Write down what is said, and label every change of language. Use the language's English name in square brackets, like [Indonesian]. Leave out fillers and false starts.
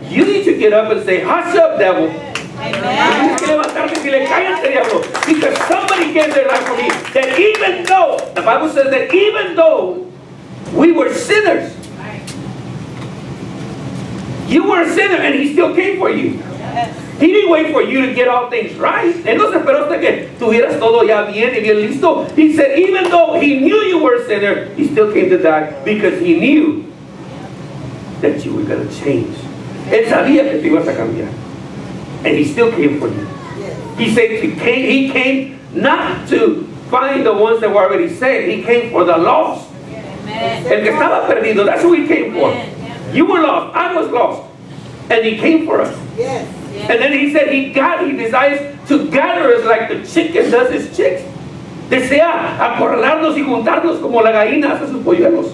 [English] You need to get up and say, hush up, devil. Because somebody gave their life for me. That even though, the Bible says that even though we were sinners, you were a sinner and he still came for you. He didn't wait for you to get all things right. [Spanish] Él no se esperó hasta que tuvieras todo ya bien y bien listo. [English] He said, even though he knew you were a sinner, he still came to die because he knew that you were going to change. [Spanish] Él sabía que te ibas a cambiar. [English] And he still came for you. Yes. He said he came not to find the ones that were already saved. He came for the lost. Amen. [Spanish] El que estaba perdido, [English] that's who he came for. Amen. You were lost. I was lost. And he came for us. Yes. And then he said he desires to gather us like the chicken does his chicks. [Spanish] Desea acorralarnos y juntarnos como la gallina hace sus polluelos.